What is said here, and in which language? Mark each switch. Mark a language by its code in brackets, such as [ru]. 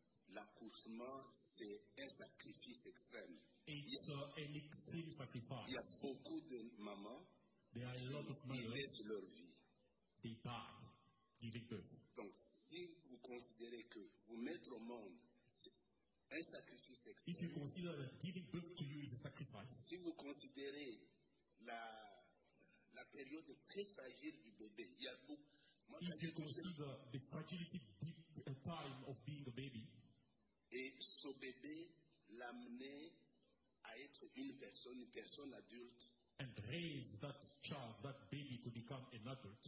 [fr] l'accouchement, c'est un sacrifice extrême. [en] An extreme sacrifice. [fr] Il y a beaucoup de mamans [en] there are a lot of mothers [fr] qui laissent leur vie. [en] They die giving birth. [fr] Donc, si vous considérez que vous mettre au monde, un sacrifice extrême. [en] If you consider that giving birth to you is a sacrifice. [fr] Si vous considérez la période très fragile du bébé, il y a beaucoup. [en] If you consider the fragility deep, time of being a baby. [fr] Et ce bébé l'amener à être une personne adulte. [en] And raise that child, that baby, to become an adult.